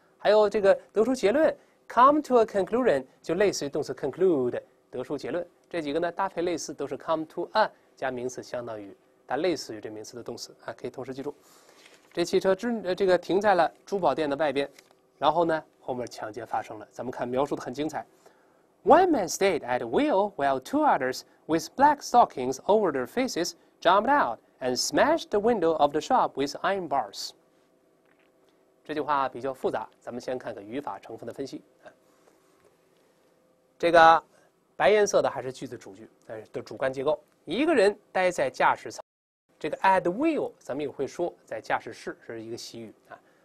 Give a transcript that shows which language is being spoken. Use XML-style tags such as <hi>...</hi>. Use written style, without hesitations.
<zh>还有这个得出结论</zh> <en>come to a conclusion，</en> <zh>就类似于动词 conclude， 得出结论。这几个呢搭配类似，都是 come to a 加名词，相当于它类似于这名词的动词啊，可以同时记住。这汽车这个停在了珠宝店的外边，然后呢，后面抢劫发生了。咱们看描述的很精彩。</zh> <en>One man stayed at the wheel while two others with black stockings over their faces jumped out and smashed the window of the shop with iron bars。</en> <zh>这句话比较复杂，咱们先看个语法成分的分析。这个白颜色的还是句子主句的主干结构，一个人待在驾驶舱。这个 at the wheel 咱们也会说，在驾驶室，这是一个习语啊。</zh>